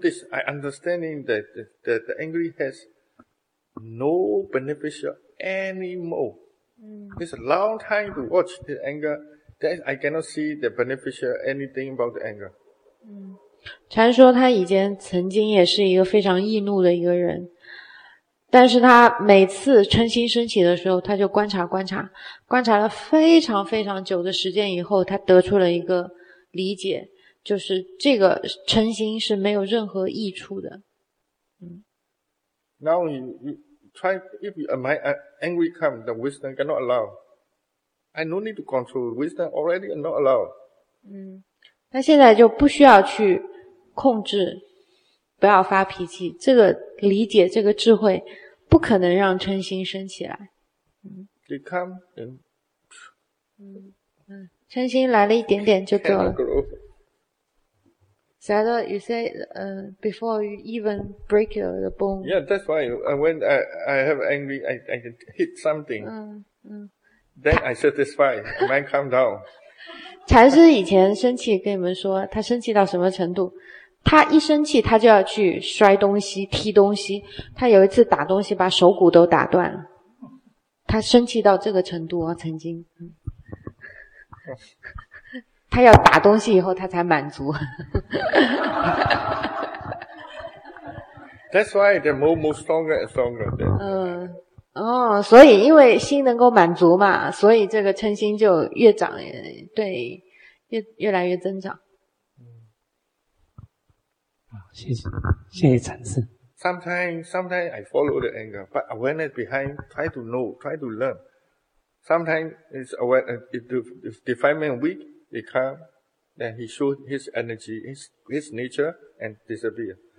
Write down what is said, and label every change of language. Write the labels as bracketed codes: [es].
[en] I understand that the angry has no beneficial anymore. Mm. It's a long time to watch the anger. That is, I cannot see the beneficial anything about the anger. [zh] 禅说他以前曾经也是一个非常易怒的一个人，但是他每次嗔心升起的时候，他就观察观察，观察了非常非常久的时间以后，他得出了一个理解，就是这个嗔心是没有任何益处的。 [en] Now you try, if you, my angry come, the wisdom cannot allow. I no need to control, wisdom already not allow. [zh] 那现在就不需要去控制，不要发脾气，这个理解，这个智慧不可能让嗔心升起来。 [en] They come and... [zh] 嗔心来了一点点就够了。 [en] Sayadaw, you say, before you even break the bone. Yeah, that's why when I have angry, I hit something. Then I satisfy, man calm down. [zh] 禅师以前生气跟你们说，他生气到什么程度？他一生气他就要去摔东西、踢东西。他有一次打东西把手骨都打断了。他生气到这个程度啊，曾经。他要打东西以后他才满足。 [en] That's why the more stronger and stronger. [zh] 哦，所以因为心能够满足嘛，所以这个嗔心就越长，对，越来越增长。谢谢禅师。 [en] Sometimes I follow the anger, but awareness behind, try to know, try to learn. Sometimes it's awareness, if defilement weak, it come, then he show his energy, his nature, and disappear.